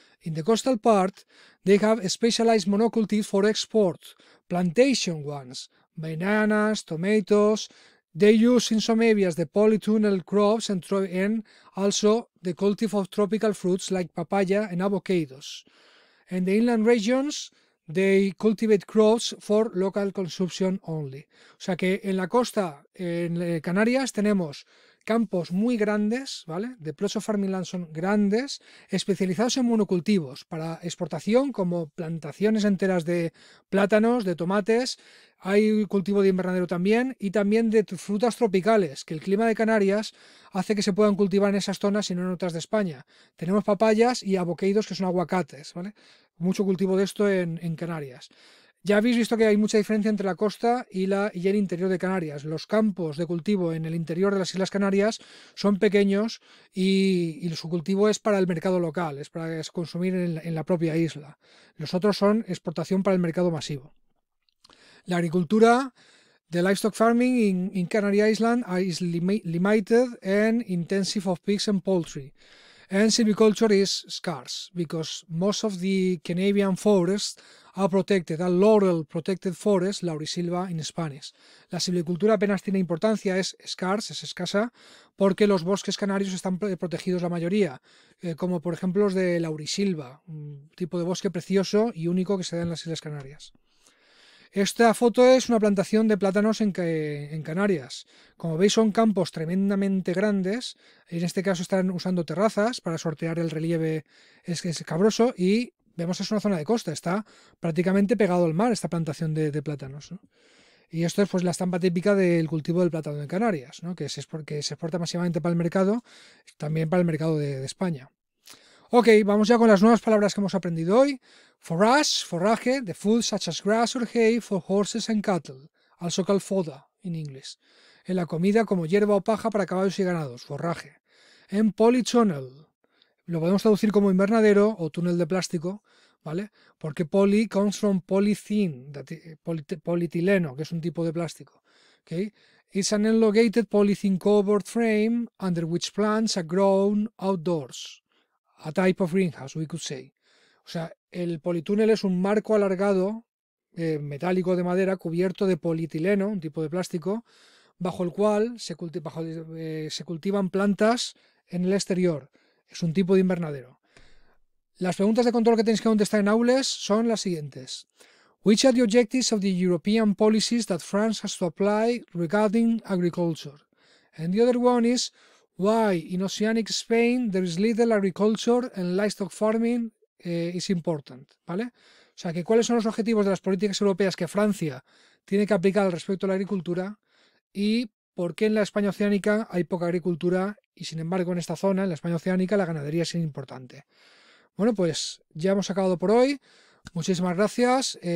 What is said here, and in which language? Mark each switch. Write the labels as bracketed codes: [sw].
[en] In the coastal part, they have specialized monocultures for export, plantation ones, bananas, tomatoes. They use in some areas the polytunnel crops and also the cultivation of tropical fruits like papaya and avocados. In the inland regions, they cultivate crops for local consumption only. [es] O sea que en la costa, en Canarias, tenemos campos muy grandes, ¿vale? De [en] plots of farming land [es] son grandes, especializados en monocultivos para exportación, como plantaciones enteras de plátanos, de tomates. Hay cultivo de invernadero también y también de frutas tropicales, que el clima de Canarias hace que se puedan cultivar en esas zonas y no en otras de España. Tenemos papayas y avocados, que son aguacates, ¿vale? Mucho cultivo de esto en Canarias. Ya habéis visto que hay mucha diferencia entre la costa y el interior de Canarias. Los campos de cultivo en el interior de las Islas Canarias son pequeños y su cultivo es para el mercado local, es para consumir en la propia isla. Los otros son exportación para el mercado masivo. La agricultura, [en] the livestock farming in Canary Island is limited and intensive of pigs and poultry. And silviculture is scarce because most of the Canadian forests are protected, a laurel protected forest, laurisilva in Spanish. [es] La silvicultura apenas tiene importancia, es scarce, es escasa, porque los bosques canarios están protegidos la mayoría, como por ejemplo los de laurisilva, un tipo de bosque precioso y único que se da en las Islas Canarias. Esta foto es una plantación de plátanos en Canarias. Como veis, son campos tremendamente grandes. En este caso están usando terrazas para sortear el relieve escabroso y vemos que es una zona de costa. Está prácticamente pegado al mar esta plantación de plátanos, ¿no? Y esto es pues la estampa típica del cultivo del plátano en Canarias, ¿no? Que se exporta masivamente para el mercado, también para el mercado de España. Ok, vamos ya con las nuevas palabras que hemos aprendido hoy. [en] Forage, forraje, the food such as grass or hay for horses and cattle, also called fodder in English. [es] En la comida como hierba o paja para caballos y ganados, forraje. En polytunnel, lo podemos traducir como invernadero o túnel de plástico, ¿vale? Porque [en] poly comes from polythene, [es] polietileno, que es un tipo de plástico. ¿Okay? [en] It's an elongated polythene covered frame under which plants are grown outdoors. A type of greenhouse, we could say. [es] O sea, el politúnel es un marco alargado, metálico de madera, cubierto de polietileno, un tipo de plástico, bajo el cual se cultivan plantas en el exterior. Es un tipo de invernadero. Las preguntas de control que tenéis que contestar en aules son las siguientes. [en] Which are the objectives of the European policies that France has to apply regarding agriculture? And the other one is, why in Oceanic Spain there is little agriculture and livestock farming is important? [es] ¿Vale? O sea, que ¿cuáles son los objetivos de las políticas europeas que Francia tiene que aplicar respecto a la agricultura? Y ¿por qué en la España oceánica hay poca agricultura y, sin embargo, en esta zona, en la España oceánica, la ganadería es importante? Bueno, pues ya hemos acabado por hoy. Muchísimas gracias.